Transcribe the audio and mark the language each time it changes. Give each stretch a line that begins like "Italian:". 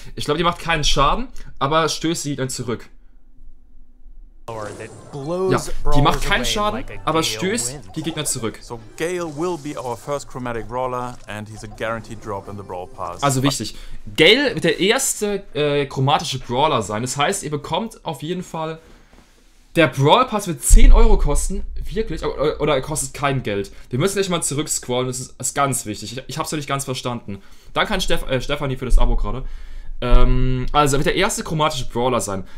German: Ich glaube, die macht keinen Schaden, aber stößt sie dann zurück.
English: That blows.
German: Ja, die macht keinen Schaden, like aber stößt wind. Die Gegner zurück.
English: So Gale will be our first chromatic brawler and he's a guaranteed drop in the brawl pass.
German: Also wichtig, Gale wird der erste chromatische Brawler sein. Das heißt, ihr bekommt auf jeden Fall, der Brawl Pass wird 10 Euro kosten, wirklich, oder er kostet kein Geld. Wir müssen gleich mal zurückscrollen, das ist ganz wichtig. Ich habe es noch nicht ganz verstanden. Danke an Stefanie für das Abo gerade. Also er wird der erste chromatische Brawler sein.